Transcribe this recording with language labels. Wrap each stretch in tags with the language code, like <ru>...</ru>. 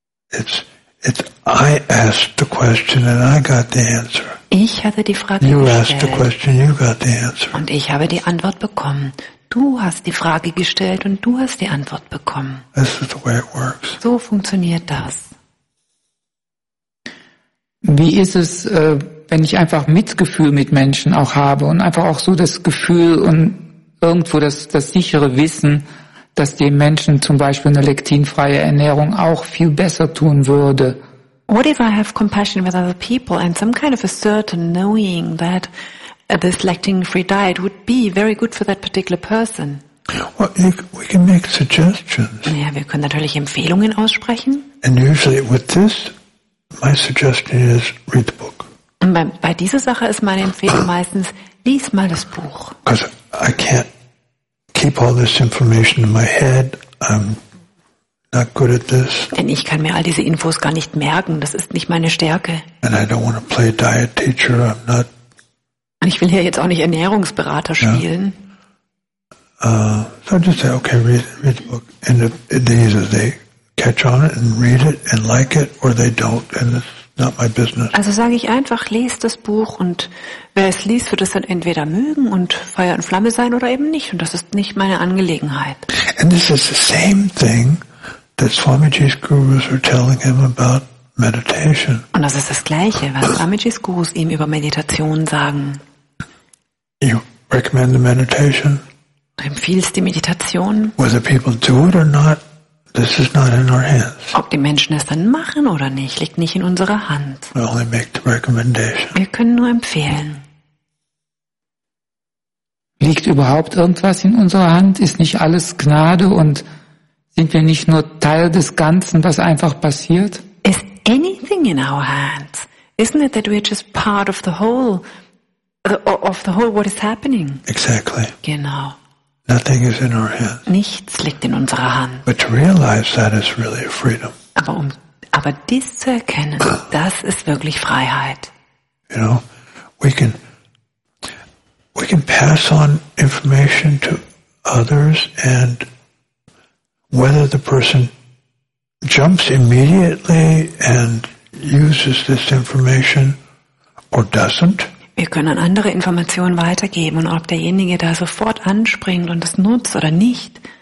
<en>It's I asked the question and I got the answer.</en> <de>Ich hatte die Frage you gestellt.</de> <en>You asked the question, you got the answer.</en> <de>Und ich habe die Antwort bekommen. Du hast die Frage gestellt und du hast die Antwort bekommen.</de> <en>This is the way it works.</en> <de>So funktioniert das. Wie ist es, wenn ich einfach Mitgefühl mit Menschen auch habe und einfach auch so das Gefühl und irgendwo das sichere Wissen, dass dem Menschen zum Beispiel eine lektinfreie Ernährung auch viel besser tun würde?</de> <en>What if I have compassion with other people and some kind of a certain knowing that this lactin-free diet would be very good for that particular person. Well, we can make suggestions.</en> <de>Ja, wir können natürlich Empfehlungen aussprechen.</de> <en>And usually with this, my suggestion is read the book.</en> <de>Und bei dieser Sache ist meine Empfehlung meistens, lies mal das Buch.</de> <en>Because I can't keep all this information in my head. I'm not good at this.</en> <de>Denn ich kann mir all diese Infos gar nicht merken. Das ist nicht meine Stärke.</de> <en>And I don't want to play diet teacher. I'm not.</en> <de>Und ich will hier jetzt auch nicht Ernährungsberater spielen.</de> <en>Yeah. So just say, okay, read the book. And they catch on it and read it and like it, or they don't, and it's not my business.</en> <de>Also sage ich einfach, lest das Buch und wer es liest, wird es dann entweder mögen und Feuer und Flamme sein oder eben nicht. Und das ist nicht meine Angelegenheit.</de> <en>And this is the same thing that Swamiji's gurus are telling him about. Meditation.</en> <de>Und das ist das Gleiche, was Swamiji's Gurus ihm über Meditation sagen.</de> <en>You recommend the meditation.</en> <de>Du empfiehlst die Meditation.</de> <en>Whether people do it or not, this is not in our hands.</en> <de>Ob die Menschen es dann machen oder nicht, liegt nicht in unserer Hand.</de> <en>We only make the recommendation.</en> <de>Wir können nur empfehlen. Liegt überhaupt irgendwas in unserer Hand? Ist nicht alles Gnade und sind wir nicht nur Teil des Ganzen, was einfach passiert?</de> <en>Is anything in our hands? Isn't it that we're just part of the whole of the whole, what is happening. Exactly.</en> <de>Genau.</de> <en>Nothing is in our hands.</en> <de>Nichts liegt in unserer Hand.</de> <en>But to realize that is really freedom.</en> <de>Aber dies zu erkennen, das ist wirklich Freiheit.</de> <en>You know, we can pass on information to others, and whether the person jumps immediately and uses this information or doesn't.</en> <de>Wir können andere Informationen weitergeben, und ob derjenige da sofort anspringt und es nutzt oder nicht.</de>